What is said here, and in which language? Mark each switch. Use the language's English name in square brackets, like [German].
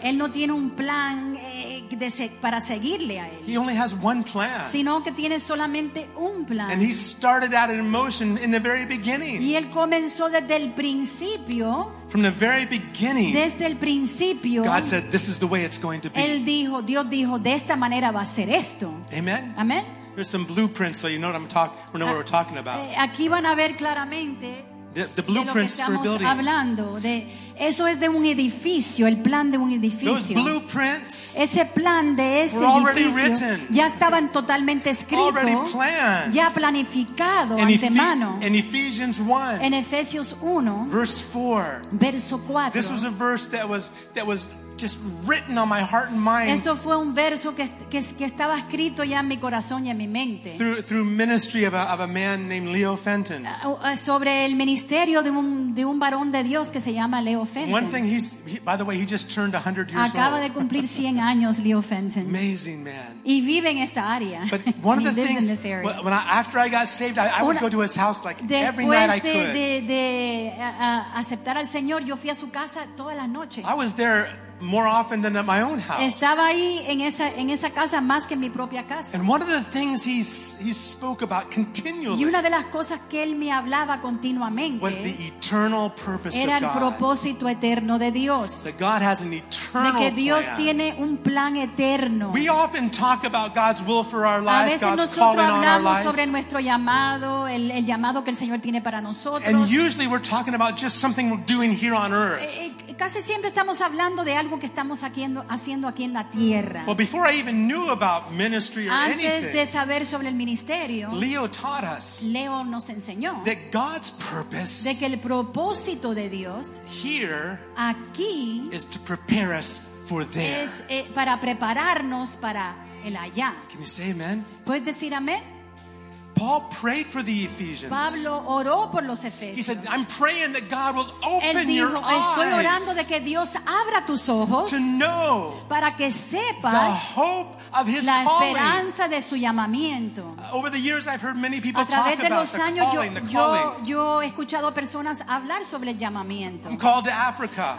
[Spanish] Él no tiene un plan para seguirle a él. [English] He only has one plan. [Spanish] Sino que tiene solamente un plan. [English] And he started out in motion in the very beginning. [Spanish] Y él comenzó desde el principio. [English] From the very beginning. [Spanish] Desde el principio. [English] God said, "This is the way it's going to be." [Spanish] Él dijo, Dios dijo, de esta manera va a ser esto. [English] Amen. [Spanish] Amen. [English] There's some blueprints, so you know what I'm talking. We know what we're talking about. [Spanish] Aquí van a ver claramente. [English] the blueprints for building. [Spanish] Hablando de eso es de un edificio, el plan de un edificio. [English] Those blueprints, [Spanish] ese plan de ese edificio, [English] were already written, [Spanish] ya estaban totalmente escritos, [English] already planned, [Spanish] ya planificado antemano. [English] In Ephesians 1, [Spanish] en Efesios 1, [English] verse 4, [Spanish] verso 4, [English] this was a verse that was just written on my heart and mind. [Spanish] Esto fue un verso que estaba escrito ya en mi corazón y en mi mente. [English] Through ministry of a man named Leo Fenton. [Spanish] Sobre el ministerio de un varón de Dios que se llama Leo Fenton. [English] One thing he just turned 100 years [Spanish] Acaba [English] old. [Spanish] Acaba de cumplir 100 años Leo Fenton. [English] Amazing man. [Spanish] Y vive en esta área. [English] But one of the things when after I got saved, I would go to his house like every night I could. [Spanish] Después de aceptar al Señor, yo fui a su casa todas las noches. [English] I was there more often than at my own house. [Spanish] Estaba ahí en esa casa más que en mi propia casa. [English] And one of the things he spoke about continually. [Spanish] Y una de las cosas que él me hablaba continuamente. [English] Was the eternal purpose of God. [Spanish] Era el propósito eterno de Dios. [English] That God has an eternal [Spanish] plan. De que Dios [English] plan. [Spanish] Tiene un plan eterno. [English] We often talk about God's will for our life, God's calling on our life. [Spanish] A veces nosotros hablamos sobre nuestro llamado, el llamado que el Señor tiene para nosotros. [English] And usually we're talking about just something we're doing here on earth. [Spanish] Casi siempre estamos hablando de algo que estamos haciendo aquí en la tierra. [English] Well, before I even knew about ministry or [Spanish] antes [English] anything, [Spanish] de saber sobre el ministerio, [English] Leo taught us, [Spanish] Leo nos enseñó, [English] that God's purpose, [Spanish] de que el propósito de Dios, [English] here, [Spanish] aquí, [English] is to prepare us for there. [Spanish] Es para prepararnos para el allá. [English] Can you say amen? [Spanish] ¿Puedes decir amén? [English] Paul prayed for the Ephesians. [Spanish] Pablo oró por los Efesios. [English] He said, I'm praying that God will open [Spanish] dijo, [English] your eyes. [Spanish] Estoy orando de que Dios abra tus ojos [English] to know [Spanish] para que sepas [English] the hope of his [Spanish] la esperanza [English] calling. [Spanish] De su llamamiento. [English] Over the years I've heard many people [Spanish] a través [English] talk [Spanish] de los [English] about [Spanish] años, [English] the calling, the calling. [Spanish] Yo he escuchado personas hablar sobre el llamamiento. [English] I'm called to Africa.